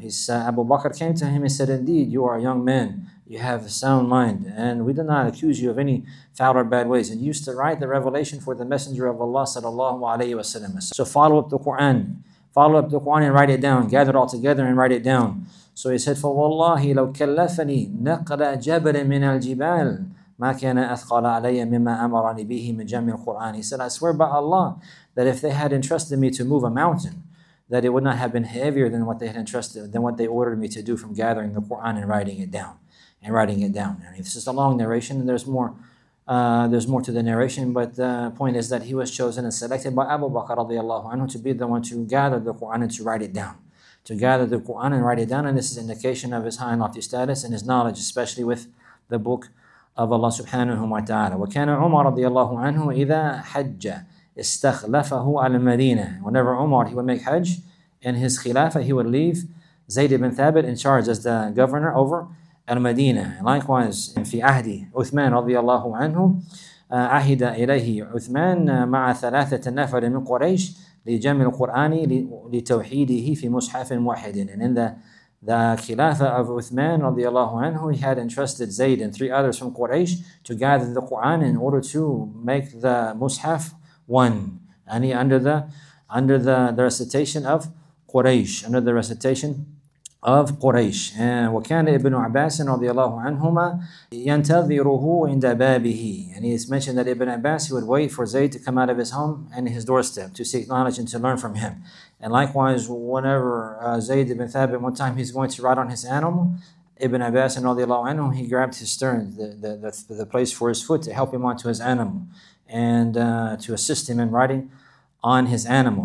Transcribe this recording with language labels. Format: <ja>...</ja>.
<en>He said, Abu Bakr came to him and said, indeed, you are a young man. You have a sound mind. And we do not accuse you of any foul or bad ways. And you used to write the revelation for the Messenger of Allah صلى الله عليه وسلم. So follow up the Qur'an. Follow up the Qur'an and write it down. Gather it all together and write it down. So he said,</en> <ar>فَوَاللَّهِ لَوْ كَلَّفَنِي نَقْلَ جَبْرٍ مِنَ الْجِبَالِ مَا كَانَ أَثْقَلَ عَلَيَّ مِمَّا أَمَرَنِي بِهِ مِنْ جَمْعِ الْقُرْآنِ.</ar> <en>He said, I swear by Allah that if they had entrusted me to move a mountain, that it would not have been heavier than what they had entrusted, than what they ordered me to do from gathering the Qur'an and writing it down. I mean, this is a long narration, and there's more to the narration, but the point is that he was chosen and selected by Abu Bakr radiallahu anhu to be the one to gather the Qur'an and to write it down. To gather the Qur'an and write it down, and this is indication of his high and lofty status and his knowledge, especially with the book of Allah subhanahu wa ta'ala.</en> <ar>وَكَانَ عُمَرَ رَضِيَ اللَّهُ عَنْهُ إِذَا حَجَّ إِسْتَخْلَفَهُ عَلَى الْمَدِينَةِ.</ar> <en>Whenever Umar, he would make hajj in his khilafah, he would leave Zayd ibn Thabit in charge as the governor over al-Madinah. Likewise, in fi ahdi</en> <ar>Uthman رضي الله عنه عهد إليه Uthman مع ثلاثة نفر من قريش لجمع القرآن لتوحيده في مصحف واحد.</ar> <en>And in the khilafah of Uthman رضي الله عنه, he had entrusted Zayd and three others from Quraysh to gather the Quran in order to make the mushaf one. And he under the recitation of Quraysh, under the recitation of Quraysh. And</en> <ar>وكان ابن عباس رضي الله عنهما ينتظره عند بابه.</ar> <en>And it's mentioned that Ibn Abbas, he would wait for Zayd to come out of his home and his doorstep to seek knowledge and to learn from him. And likewise, whenever Zayd ibn Thabit, one time he's going to ride on his animal, Ibn Abbas and رضي الله عنه, he grabbed his stirrup, the place for his foot to help him onto his animal and to assist him in riding on his animal.</en>